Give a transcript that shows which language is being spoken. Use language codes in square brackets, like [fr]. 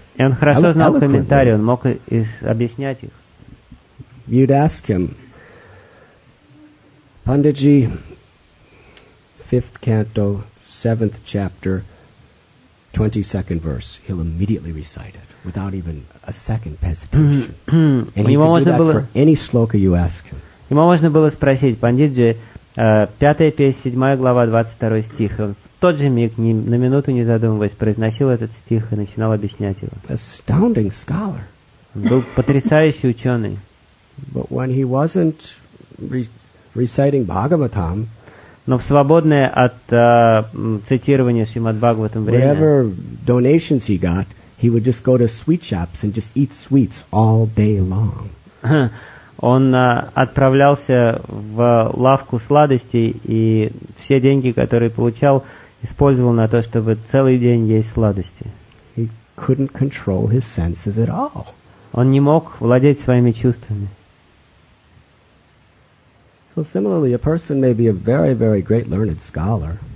[ru] И он хорошо знал комментарии, он мог объяснять их. [en] You'd ask him, Пандиджи, 5th canto, 7th chapter, 22nd verse, he'll immediately recite it. Without even a second hesitation. And he could do that for any sloka you ask him. [ru] Ему можно было спросить, Пандитджи, 5-я песня, 7-я глава, 22-й стих. Он в тот же миг, на минуту не задумываясь, произносил этот стих и начинал объяснять его. [en] Astounding scholar. [ru] Он был потрясающий ученый. [en] But when he wasn't reciting Bhagavatam, [ru] но в свободное от цитирования Шримад-Бхагаватам время, [en] whatever donations he got, he would just go to sweet shops and just eat sweets all day long. [ru] Он отправлялся в лавку сладостей и все деньги, которые получал, использовал на то, чтобы целый день есть сладости. [en] He couldn't control his senses at all. [ru] Он не мог владеть своими чувствами. [en] So similarly, a person may be a very, very great learned scholar.